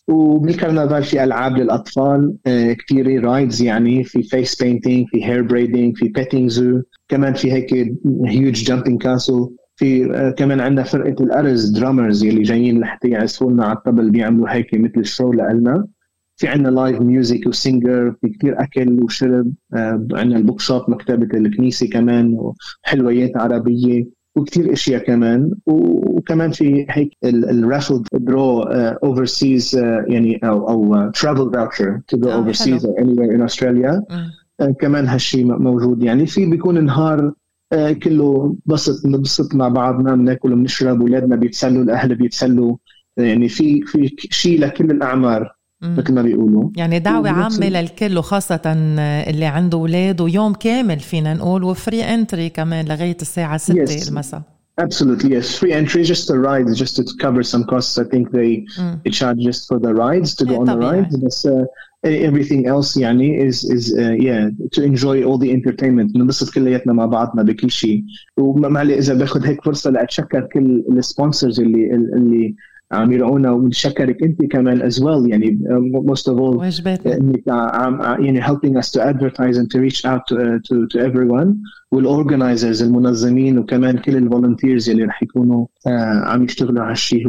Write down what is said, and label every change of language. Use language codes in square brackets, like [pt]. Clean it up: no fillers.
[ar] وبالكرنفال في ألعاب للأطفال كتير، رايدز يعني، في فيس بينتينج، في هير بريدينج، في بيتينج زو، كمان في هيك هيوج جامبينج كاسل، في كمان عندنا فرقة الأرز درامرز يلي جايين لحتى يعزفولنا على الطبل، بيعملوا هيك مثل الشو لألنا. في عنا لايف ميوزيك وسينجر، في كتير أكل وشرب، عنا البوكسات مكتبة الكنيسة كمان، وحلويات عربية وكتير أشياء كمان. وكمان في هيك الرافل درو [en] overseas يعني أو travel voucher to go overseas or anywhere in Australia. [ar] كمان هالشي موجود يعني. في بيكون نهار كله نبسط مع بعضنا، بناكل ونشرب، ولادنا بيتسلوا، الأهل بيتسلوا، يعني في شيء لكل الأعمار مثل ما بيقولوا، يعني دعوة عامة للكل، وخاصة اللي عنده أولاد، ويوم كامل فينا نقول، وفري انتري كمان لغاية الساعة 6 yes. المساء. [en] Absolutely yes, free entry just the rides, just to cover some costs. I think they charge just for the rides to go on the rides. بس everything else يعني to enjoy all the entertainment. [ar] نبسط كلياتنا مع بعضنا بكل شيء. ومعلي إذا بأخذ هيك فرصة لأتشكر كل السبونسرز اللي عم يرعونا، ونشكرك انت كمان [en] as well [ar] يعني [en] most of all [ar] انك عم يعني [en] helping us to advertise and to reach out to everyone [ar] والorganizers المنظمين، وكمان كل الvolunteers اللي رح يكونوا عم يشتغلوا على الشيء.